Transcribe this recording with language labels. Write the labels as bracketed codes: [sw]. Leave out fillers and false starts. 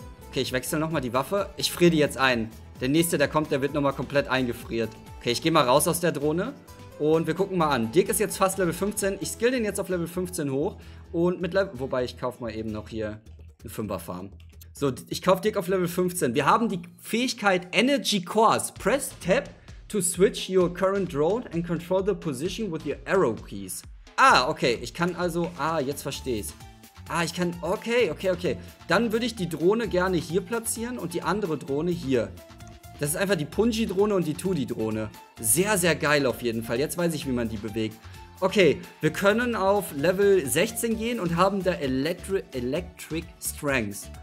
[de] Okay, ich wechsle nochmal die Waffe. Ich friere die jetzt ein. Der nächste, der kommt, der wird nochmal komplett eingefriert. Okay, ich gehe mal raus aus der Drohne. Und wir gucken mal an. Dirk ist jetzt fast Level 15. Ich skill den jetzt auf Level 15 hoch. Und mit Level... Wobei, ich kaufe mal eben noch hier eine 5er Farm. So, ich kaufe Dirk auf Level 15. Wir haben die Fähigkeit Energy Cores. [en] Press Tab to switch your current drone and control the position with your arrow keys. [de] Ah, okay, ich kann also... Ah, jetzt verstehe ich's. Ah, ich kann... Okay. Dann würde ich die Drohne gerne hier platzieren und die andere Drohne hier. Das ist einfach die Punji-Drohne und die Tudi-Drohne. Sehr, sehr geil auf jeden Fall. Jetzt weiß ich, wie man die bewegt. Okay, wir können auf Level 16 gehen und haben da Electric Strength.